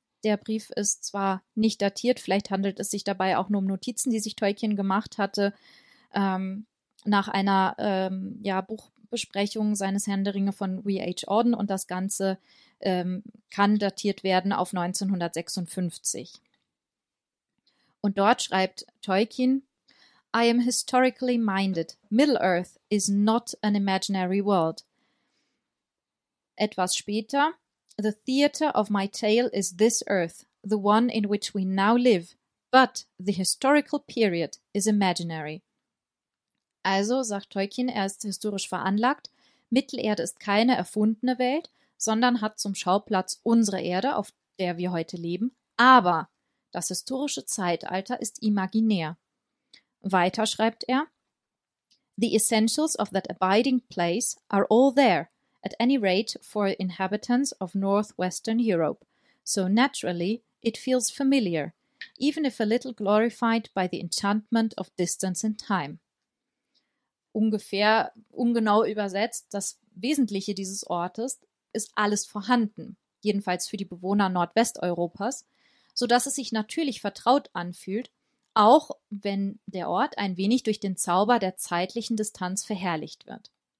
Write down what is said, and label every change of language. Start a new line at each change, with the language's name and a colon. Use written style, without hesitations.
German: Der Brief ist zwar nicht datiert, vielleicht handelt es sich dabei auch nur um Notizen, die sich Tolkien gemacht hatte, nach einer Buchbesprechung seines Herrn der Ringe von W.H. Auden, und das Ganze kann datiert werden auf 1956. Und dort schreibt Tolkien:
English: I am historically minded. Middle-earth is not an imaginary world.
German: Etwas später:
English: The theater of my tale is this earth, the one in which we now live, but the historical period is imaginary.
German: Also, sagt Tolkien, er ist historisch veranlagt. Mittelerde ist keine erfundene Welt, sondern hat zum Schauplatz unsere Erde, auf der wir heute leben. Aber das historische Zeitalter ist imaginär. Weiter schreibt er:
English: The essentials of that abiding place are all there, at any rate for inhabitants of northwestern Europe. So naturally, it feels familiar, even if a little glorified by the enchantment of distance and time.
German: Ungefähr, ungenau übersetzt, das Wesentliche dieses Ortes ist alles vorhanden, jedenfalls für die Bewohner Nordwesteuropas, sodass es sich natürlich vertraut anfühlt, auch wenn der Ort ein wenig durch den Zauber der zeitlichen Distanz verherrlicht wird.